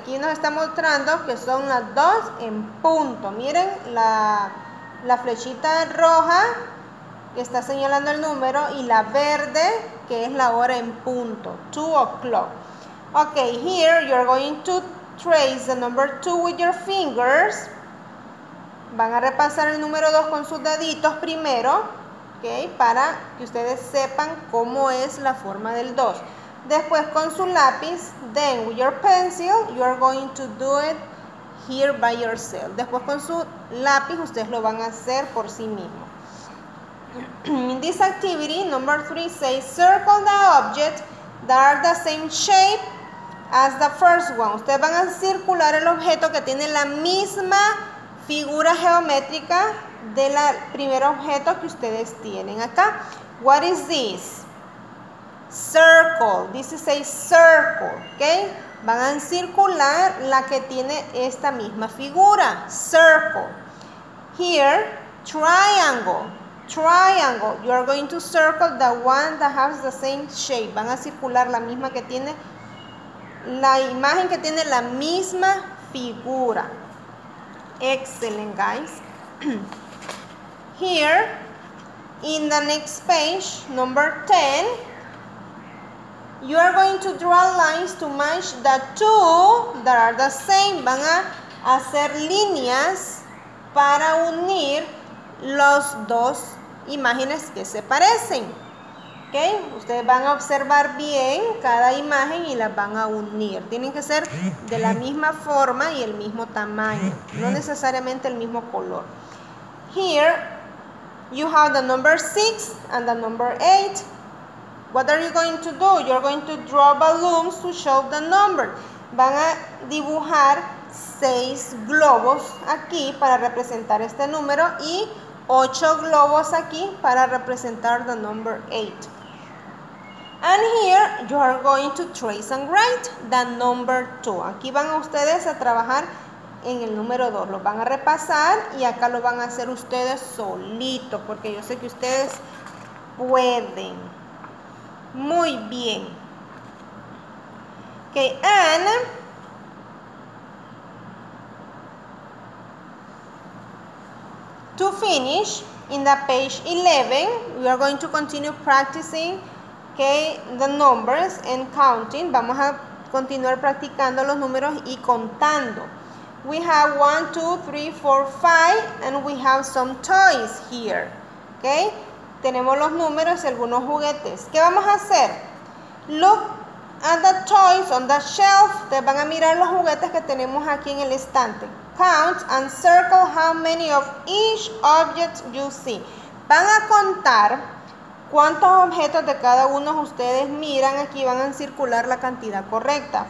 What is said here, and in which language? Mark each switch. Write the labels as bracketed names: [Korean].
[Spanish] Aquí nos está mostrando que son las 2 en punto. Miren la flechita roja que está señalando el número y la verde que es la hora en punto. [English] 2 o'clock. Okay, here you're going to trace the number 2 with your fingers. [Spanish] Van a repasar el número 2 con sus deditos primero, okay, para que ustedes sepan cómo es la forma del 2. Después con su lápiz, [English] then with your pencil, you are going to do it here by yourself. [Spanish] Después con su lápiz, ustedes lo van a hacer por sí mismo. [English] In this activity, number 3 says, circle the object that are the same shape as the first one. [Spanish] Ustedes van a circular el objeto que tiene la misma figura geométrica del primer objeto que ustedes tienen acá. [English] What is this? Circle. This is a circle. Okay? [Spanish] Van a circular la que tiene esta misma figura. [English] Circle. Here, triangle. Triangle. You are going to circle the one that has the same shape. [Spanish] Van a circular la misma que tiene, la imagen que tiene la misma figura. [English] Excellent, guys. Here, in the next page, number 10, you are going to draw lines to match the two that are the same. [Spanish] Van a hacer líneas para unir los dos imágenes que se parecen. Okay? Ustedes van a observar bien cada imagen y las van a unir. Tienen que ser de la misma forma y el mismo tamaño, no necesariamente el mismo color. [English] Here, you have the number 6 and the number 8. What are you going to do? You're going to draw balloons to show the number. [Spanish] van a dibujar 6 globos aquí para representar este número y 8 globos aquí para representar [English] the number 8. And here you are going to trace and write the number 2. [Spanish] Aquí van ustedes a trabajar en el número 2. Lo van a repasar y acá lo van a hacer ustedes solito, porque yo sé que ustedes pueden. Muy bien. [English] Okay, and to finish, in the page 11, we are going to continue practicing the numbers and counting. [Spanish] Vamos a continuar practicando los números y contando. [English] We have 1, 2, 3, 4, 5, and we have some toys here. [Spanish] Okay? Tenemos los números y algunos juguetes. ¿Qué vamos a hacer? [English] Look at the toys on the shelf. [Spanish] Ustedes van a mirar los juguetes que tenemos aquí en el estante. [English] Count and circle how many of each object you see. [Spanish] Van a contar cuántos objetos de cada uno ustedes miran aquí, van a circular la cantidad correcta.